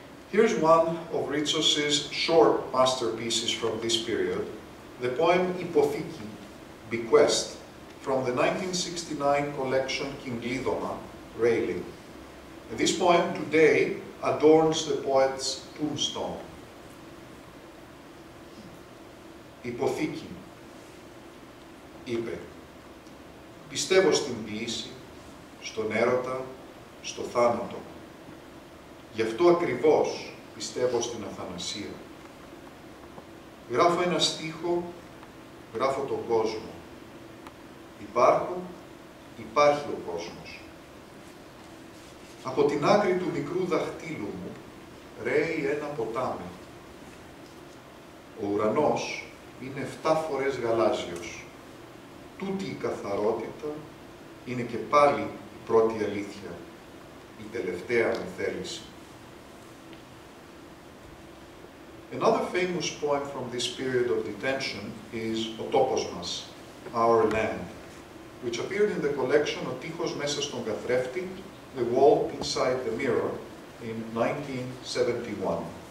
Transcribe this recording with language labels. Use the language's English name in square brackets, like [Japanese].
[English] Here's one of Ritsos's short masterpieces from this period, the poem Ipothiki, Bequest, from the 1969 collection Kinglidoma, Railing. This poem today adorns the poet's tombstone. [Greek] Υποθήκη, είπε, πιστεύω στην ποιήση, στον έρωτα, στο θάνατο. Γι' αυτό ακριβώς πιστεύω στην αθανασία. Γράφω ένα στίχο, γράφω τον κόσμο. Υπάρχει ο κόσμος. Από την άκρη του μικρού δαχτύλου μου ρέει ένα ποτάμι. Ο ουρανός είναι 7 φορές γαλάζιος. Τούτη η καθαρότητα είναι και πάλι η πρώτη αλήθεια, η τελευταία αν θέλεις. [English] Another famous poem from this period of detention is «Ο τόπος μας», «Our Land», which appeared in the collection Ο τείχος μέσα στον καθρέφτη, The Wall Inside the Mirror, in 1971.